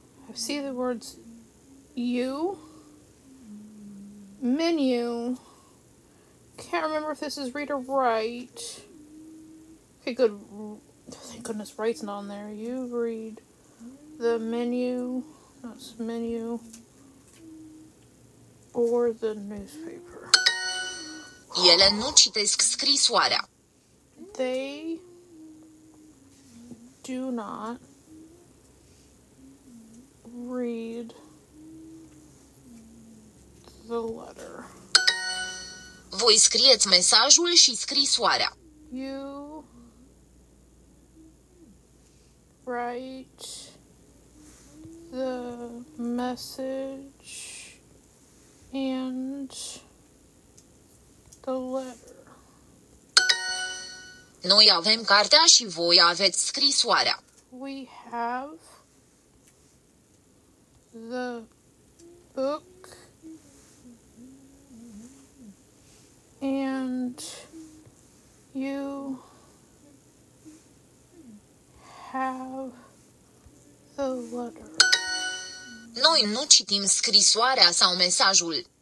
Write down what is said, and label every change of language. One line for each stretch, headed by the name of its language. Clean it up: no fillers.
English: I see the words you, menu, can't remember if this is read or write. Okay, good. Thank goodness write's not on there. You read the menu, that's menu, or the newspaper.
Romanian: Ele nu citesc scrisoarea.
English: They do not read the letter.
Romanian: Voi scrieți mesajul și scrisoarea.
English: You write the message and the letter.
Romanian: Noi avem cartea și voi aveți scrisoarea.
English: We have the book and you have the letter.
Romanian: Noi nu citim scrisoarea sau mesajul.